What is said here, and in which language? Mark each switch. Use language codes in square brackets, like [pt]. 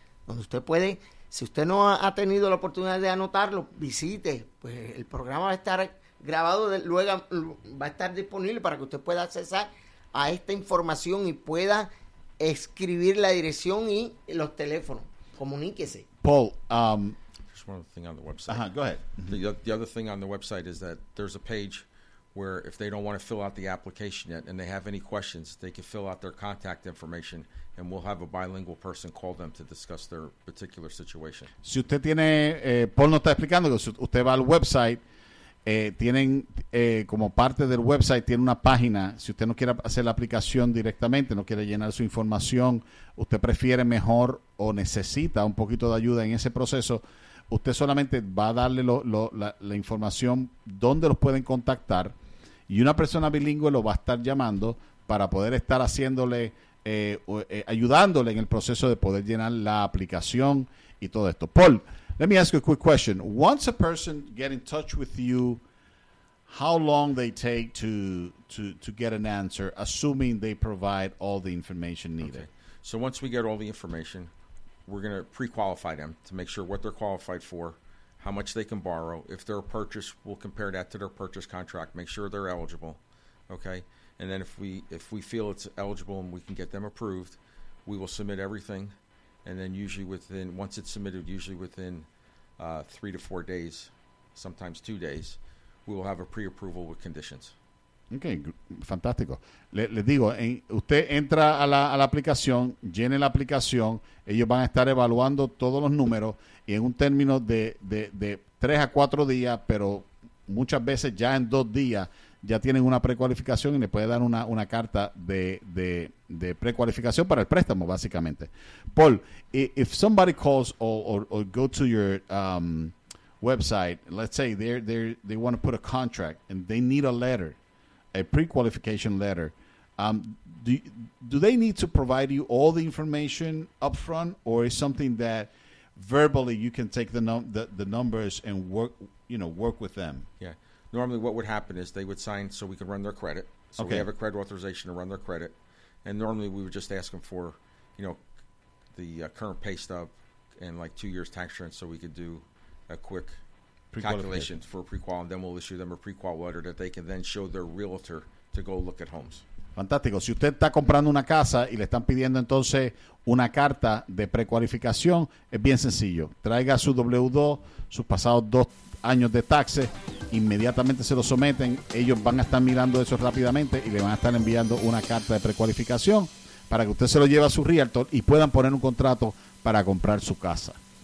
[es] Donde usted puede, si usted no ha tenido la oportunidad de anotarlo, visite, pues el programa va a estar grabado, luego va a estar disponible para que usted pueda accesar a esta información y pueda escribir la dirección y los teléfonos. Comuníquese. [en] Paul, just one other thing on the website. Uh-huh, go ahead. The other thing on the website is that there's a page where if they don't want to fill out the application yet and they have any questions, they can fill out their contact information and we'll have a bilingual person call them to discuss their particular situation. [es] Si usted tiene, Paul no está explicando, si usted va al website, tienen como parte del website, tiene una página, si usted no quiere hacer la aplicación directamente, no quiere llenar su información, usted prefiere mejor o necesita un poquito de ayuda en ese proceso, usted solamente va a darle la información donde los pueden contactar y una persona bilingüe lo va a estar llamando para poder estar haciéndole, ayudándole en el proceso de poder llenar la aplicación y todo esto. [en] Paul, let me ask you a quick question. Once a person get in touch with you, how long they take to get an answer, assuming they provide all the information needed? Okay. So once we get all the information, we're going to pre-qualify them to make sure what they're qualified for, how much they can borrow. If they're a purchase, we'll compare that to their purchase contract, make sure they're eligible, okay? And then if we feel it's eligible and we can get them approved, we will submit everything. And then once it's submitted, usually within 3 to 4 days, sometimes 2 days, we will have a pre-approval with conditions. [es] Okay, fantástico. Les digo, usted entra a la aplicación, llene la aplicación, ellos van a estar evaluando todos los números y en un término de 3 a 4 días, pero muchas veces ya en 2 días ya tienen una precualificación y le puede dar una carta de precualificación para el préstamo, básicamente. [en] Paul, if somebody calls or go to your website, let's say they want to put a contract and they need a letter, a pre-qualification letter, do they need to provide you all the information up front, or is something that verbally you can take the numbers and work with them? Yeah. Normally what would happen is they would sign so we could run their credit. So okay. We have a credit authorization to run their credit. And normally we would just ask them for, the current pay stub and like 2 years tax return so we could do a quick calculation for a pre-qual, and then we'll issue them a pre-qual letter that they can then show their realtor to go look at homes. [es] Fantástico. Si usted está comprando una casa y le están pidiendo entonces una carta de precualificación, es bien sencillo. Traiga su W-2, sus pasados dos años de taxes, inmediatamente se lo someten. Ellos van a estar mirando eso rápidamente y le van a estar enviando una carta de precualificación para que usted se lo lleve a su realtor y puedan poner un contrato para comprar su casa.